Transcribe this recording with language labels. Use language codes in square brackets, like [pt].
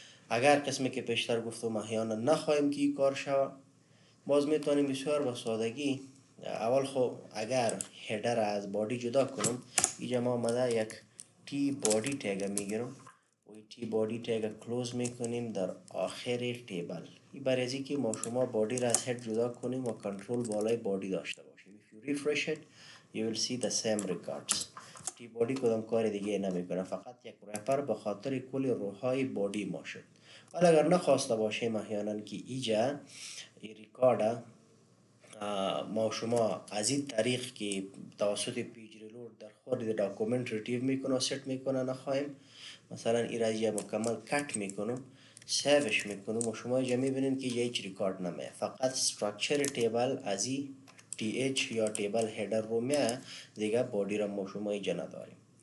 [fa] اگر قسمی که پیشتر گفتم احیانا نخواهیم که کار شوه، باز میتونیم بسیار با سادگی اول خو اگر هیدر از باڈی جدا کنم ایجا ما مده یک تی باڈی تیگ میگیرم و تی باڈی تیگ کلوز میکنیم در آخر تیبل. ای برای ازی که ما شما باڈی را از هید جدا کنیم و کنترول بالای باڈی داشته باشیم. [en] If you refresh it you will see the same records. [fa] تی باڈی کدام کار دیگه نمی کنه، فقط یک رپر بخاطر کل روحای باڈی ما شد. ولی اگر نخواسته باشیم احیانا که ایجا ای ریکارد ما شما از این طریق که توسط پیج ریلود در خود داکومنت ریتریو میکنه و سیت میکنه نخواهیم، مثلا این رجی مکمل کت میکنم سیوش میکنم و شما اینجا میبینید که هیچ ریکارد نمیه، فقط سترکچر تیبل از این تی ایچ یا تیبل هیدر رو میه، دیگه باڈی را ما شما اینجا نداریم.